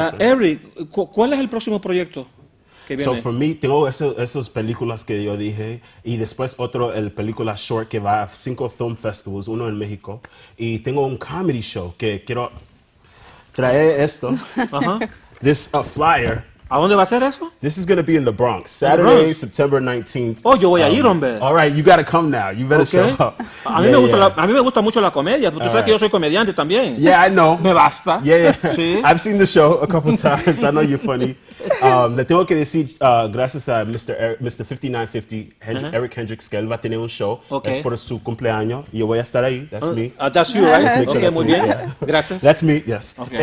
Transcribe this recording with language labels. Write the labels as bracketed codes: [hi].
[es] Eric, ¿cuál es el próximo proyecto? [en] So for me, [es] tengo esas películas que yo dije, y después otro, el película short que va a 5 [en] film festivals, [es] uno en México, y tengo un [en] comedy show [es] que quiero traer esto, [en] this flyer. [es] ¿A dónde va a ser eso? [en] This is going to be in the Bronx, Saturday, September 19th. [es] Oh, yo voy a ir, hombre. [en] All right, you got to come now, you better show up. [es] A mí me gusta mucho la comedia, porque tú sabes que yo soy comediante también. [en] Yeah, I know. [es] Me basta. [en] Yeah. I've seen the show a couple times, I know you're funny. [es] Le tengo que decir gracias a Mr. 5950, Eric Hendricks, que él va a tener un show. [en] Okay. [es] Es por su cumpleaños. Yo voy a estar ahí. [en] That's me. That's you, right? Okay, sure, [es] muy bien. [en] Yeah. [es] Gracias. [en] That's me, yes. Okay.